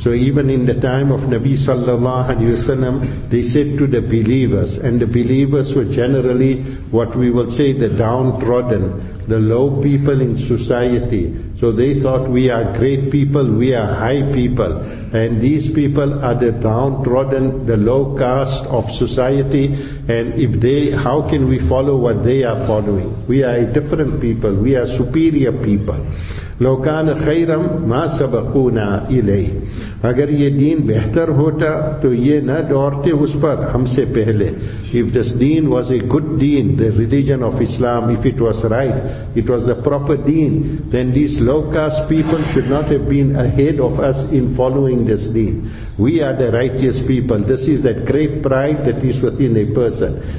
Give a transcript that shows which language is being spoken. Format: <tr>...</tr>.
<en>So even in the time of Nabi sallallahu alaihi wasallam, they said to the believers, and the believers were generally what we will say the downtrodden, the low people in society. So they thought, we are great people, we are high people. And these people are the downtrodden, the low caste of society. And if they, how can we follow what they are following? We are a different people, we are superior people.</en> <ar>لَوْ كَانَ خَيْرًا مَا سَبَقُونَا إِلَيْهِ</ar> <ur>اگر یہ دین بہتر ہوتا تو یہ نہ دورتے اس پر ہم سے پہلے.</ur> <en>If this deen was a good deen, the religion of Islam, if it was right, it was the proper deen, then these low caste people should not have been ahead of us in following this deen. We are the righteous people. This is that great pride that is within a person.</en>